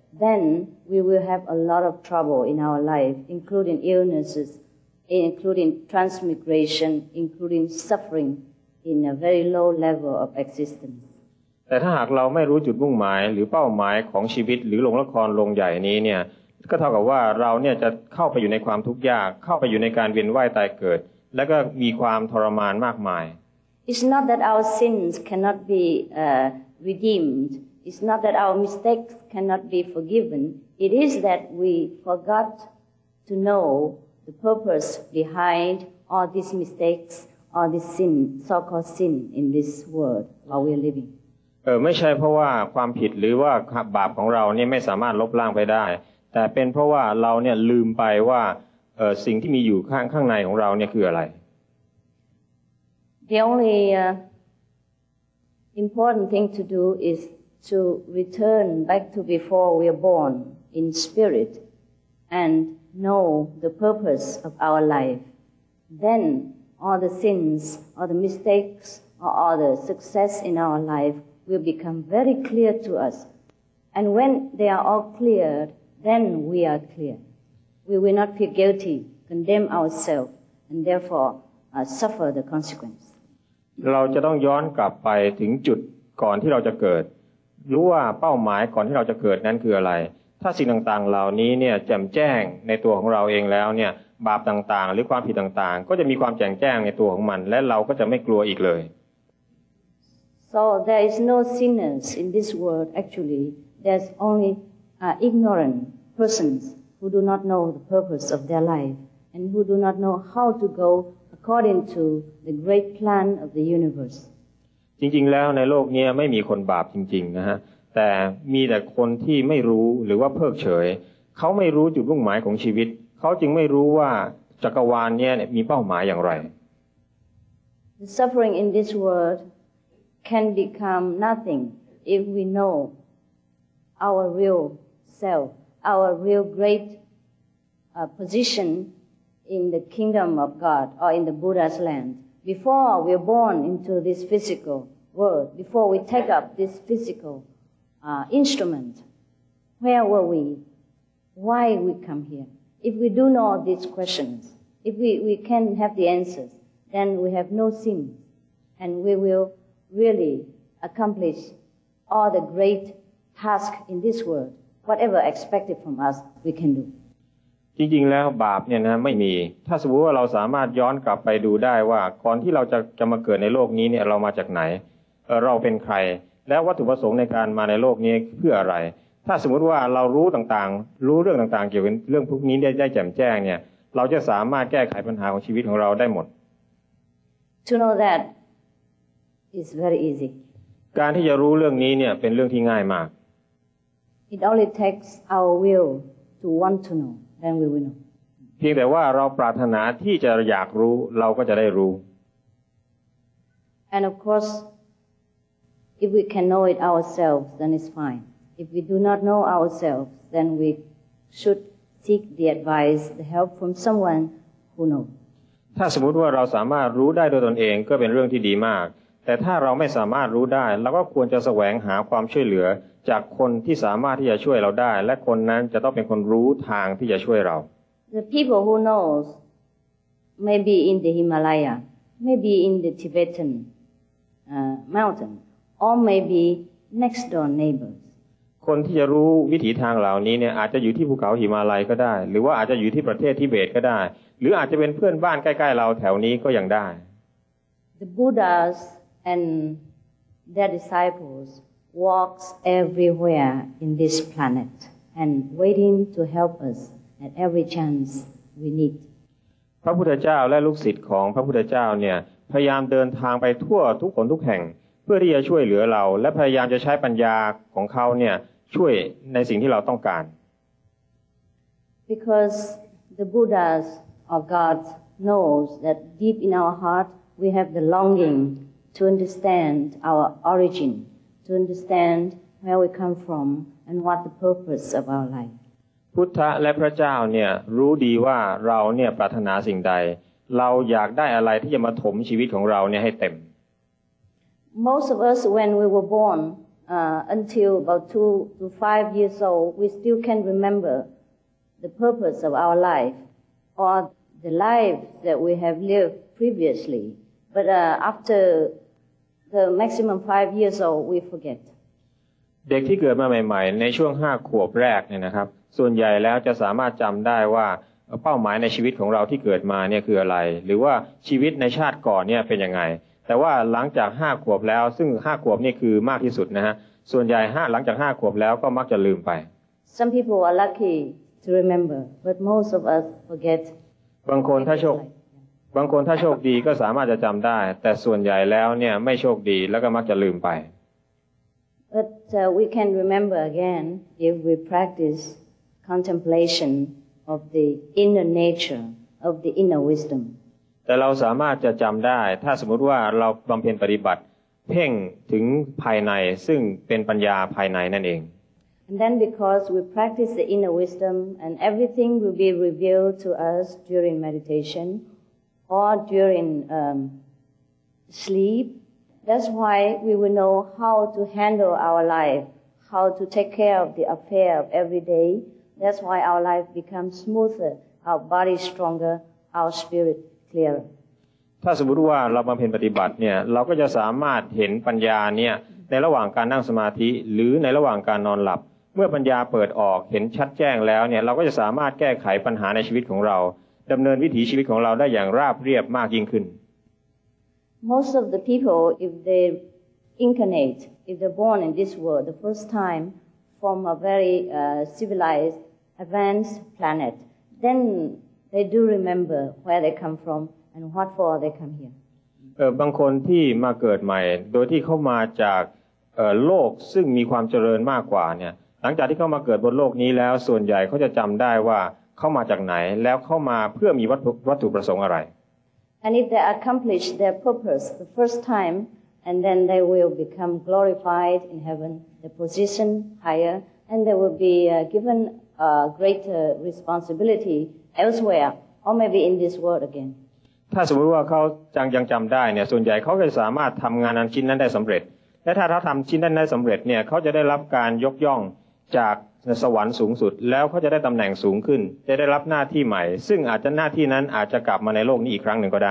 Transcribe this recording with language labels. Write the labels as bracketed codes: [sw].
[en] Then we will have a lot of trouble in our life, including illnesses, including transmigration, including suffering in a very low level of existence. [th] แต่ถ้าหากเราไม่รู้จุดมุ่งหมายหรือเป้าหมายของชีวิตหรือโรงละครโรงใหญ่นี้เนี่ยก็เท่ากับว่าเราเนี่ยจะเข้าไปอยู่ในความทุกข์ยากเข้าไปอยู่ในการเวียนว่ายตายเกิดและก็มีความทรมานมากมาย [en] It's not that our sins cannot be redeemed. It's not that our mistakes cannot be forgiven. It is that we forgot to know the purpose behind all these mistakes, all this sin, so-called sin in this world while we're living. [th] ไม่ใช่เพราะว่าความผิดหรือว่าบาปของเราเนี่ยไม่สามารถลบล้างไปได้แต่เป็นเพราะว่าเราเนี่ยลืมไปว่าสิ่งที่มีอยู่ข้างในของเราเนี่ยคืออะไร [en] The only important thing to do isto return back to before we are born in spirit and know the purpose of our life then all the sins all the mistakes or all the success in our life will become very clear to us and when they are all cleared then we are clear we will not feel guilty condemn ourselves and therefore suffer the consequence [th] เราจะต้องย้อนกลับไปถึงจุดก่อนที่เราจะเกิดรู้ว่าเป้าหมายก่อนที่เราจะเกิดนั้นคืออะไรถ้าสิ่งต่างๆเหล่านี้เนี่ยแจ่มแจ้งในตัวของเราเองแล้วเนี่ยบาปต่างๆหรือความผิดต่างๆก็จะมีความแจ่มแจ้งในตัวของมันและเราก็จะไม่กลัวอีกเลย [en] So there is no sinners in this world actually there's only ignorant persons who do not know the purpose of their life and who do not know how to go according to the great plan of the universe [th] จริงๆแล้วในโลกนี้ไม่มีคนบาปจริงๆนะฮะแต่มีแต่คนที่ไม่รู้หรือว่าเพิกเฉยเขาไม่รู้จุดมุ่งหมายของชีวิตเขาจึงไม่รู้ว่าจักรวาลนี้มีเป้าหมายอย่างไร [en] The suffering in this world can become nothing if we know our real self our real great position in the kingdom of God or in the Buddha's landBefore we are born into this physical world, before we take up this physical instrument, where were we? Why we come here? If we do know these questions, if we can have the answers, then we have no sin, and we will really accomplish all the great tasks in this world. Whatever expected from us, we can do. [th] จริงๆแล้วบาปเนี่ยนะไม่มีถ้าสมมติว่าเราสามารถย้อนกลับไปดูได้ว่าก่อนที่เราจะมาเกิดในโลกนี้เนี่ยเรามาจากไหนเราเป็นใครและวัตถุประสงค์ในการมาในโลกนี้เพื่ออะไรถ้าสมมติว่าเรารู้ต่างๆรู้เรื่องต่างๆเกี่ยวกับเรื่องพวกนี้ได้แจ่มแจ้งเนี่ยเราจะสามารถแก้ไขปัญหาของชีวิตของเราได้หมด [en] To know that is very easy [th] การที่จะรู้เรื่องนี้เนี่ยเป็นเรื่องที่ง่ายมาก [en] It only takes our will to want to knowThen we will know. [th] เพียงแต่ว่าเราปรารถนาที่จะอยากรู้เราก็จะได้รู้ [en] And of course if we can know it ourselves then it's fine if we do not know ourselves then we should seek the advice the help from someone who knows [th] ถ้าสมมุติว่าเราสามารถรู้ได้โดยตนเองก็เป็นเรื่องที่ดีมากแต่ถ้าเราไม่สามารถรู้ได้เราก็ควรจะแสวงหาความช่วยเหลือจากคนที่สามารถที่จะช่วยเราได้และคนนั้นจะต้องเป็นคนรู้ทางที่จะช่วยเรา [en] The people who knows maybe in the Himalaya maybe in the Tibetan mountain or maybe next door neighbors [th] คนที่จะรู้วิถีทางเหล่านี้เนี่ยอาจจะอยู่ที่ภูเขาหิมาลัยก็ได้หรือว่าอาจจะอยู่ที่ประเทศทิเบตก็ได้หรืออาจจะเป็นเพื่อนบ้านใกล้ๆเราแถวนี้ก็ยังได้ [en] The Buddhas and their disciplesWalks everywhere in this planet and waiting to help us at every chance we need. [th] พระพุทธเจ้าและลูกศิษย์ของพระพุทธเจ้าเนี่ยพยายามเดินทางไปทั่วทุกคนทุกแห่งเพื่อที่จะช่วยเหลือเราและพยายามจะใช้ปัญญาของเขาเนี่ยช่วยในสิ่งที่เราต้องการ [en] Because the Buddhas or God knows that deep in our heart we have the longing to understand our origin. To understand where we come from and what the purpose of our life. [th] พุทธและพระเจ้าเนี่ยรู้ดีว่าเราเนี่ยปรารถนาสิ่งใดเราอยากได้อะไรที่จะมาถมชีวิตของเราเนี่ยให้เต็ม [en] Most of us, when we were born, until about 2 to 5 years old, we still can remember the purpose of our life or the life that we have lived previously. But after the maximum 5 years old we forget [th] เด็กที่เกิดมาใหม่ๆในช่วง5ขวบแรกเนี่ยนะครับส่วนใหญ่แล้วจะสามารถจำได้ว่าเป้าหมายในชีวิตของเราที่เกิดมาเนี่ยคืออะไรหรือว่าชีวิตในชาติก่อนเนี่ยเป็นยังไงแต่ว่าหลังจาก5ขวบแล้วซึ่ง5ขวบนี่คือมากที่สุดนะฮะส่วนใหญ่5หลังจาก5ขวบแล้วก็มักจะลืมไป [en] Some people are lucky to remember but most of us forget [th] บางคนถ้าโชคบางคนถ้าโชคดีก็สามารถจะจำได้แต่ส่วนใหญ่แล้วเนี่ยไม่โชคดีแล้วก็มักจะลืมไป [en] But we can remember again if we practice contemplation of the inner nature of the inner wisdom [th] แต่เราสามารถจะจำได้ถ้าสมมติว่าเราบำเพ็ญปฏิบัติเพ่งถึงภายในซึ่งเป็นปัญญาภายในนั่นเอง [en] And then because we practice the inner wisdom and everything will be revealed to us during meditationor during sleep that's why we will know how to handle our life how to take care of the affair of every day that's why our life becomes smoother our body stronger our spirit clearer [th] ถ้าสมมติว่าเราบำเพ็ญปฏิบัติเนี่ยเราก็จะสามารถเห็นปัญญาเนี่ยในระหว่างการนั่งสมาธิหรือในระหว่างการนอนหลับเมื่อปัญญาเปิดออกเห็นชัดแจ้งแล้วเนี่ยเราก็จะสามารถแก้ไขปัญหาในชีวิตของเราดำเนินวิถีชีวิตของเราได้อย่างราบเรียบมากยิ่งขึ้น [en] Most of the people if they incarnate if they're born in this world the first time from a very civilized advanced planet then they do remember where they come from and what for they come here [th] บางคนที่มาเกิดใหม่โดยที่เข้ามาจากโลกซึ่งมีความเจริญมากกว่าเนี่ยหลังจากที่เข้ามาเกิดบนโลกนี้แล้วส่วนใหญ่เขาจะจำได้ว่าเข้ามาจากไหนแล้วเข้ามาเพื่อมีวัตถุประสงค์อะไร [en] And if they accomplish their purpose the first time and then they will become glorified in heaven the position higher and they will be given a greater responsibility elsewhere or maybe in this world again [th] ถ้าสมมติว่าเขายังจำได้เนี่ยส่วนใหญ่เขาจะสามารถทำงานชิ้นนั้นได้สำเร็จและถ้าเขาทำชิ้นนั้นได้สำเร็จเนี่ยเขาจะได้รับการยกย่องจากสวรรค์สูงสุดแล้วเขาจะได้ตำแหน่งสูงขึ้นจะได้รับหน้าที่ใหม่ซึ่งอาจจะหน้าที่นั้นอาจจะกลับมาในโลกนี้อีกครั้งหนึ่งก็ได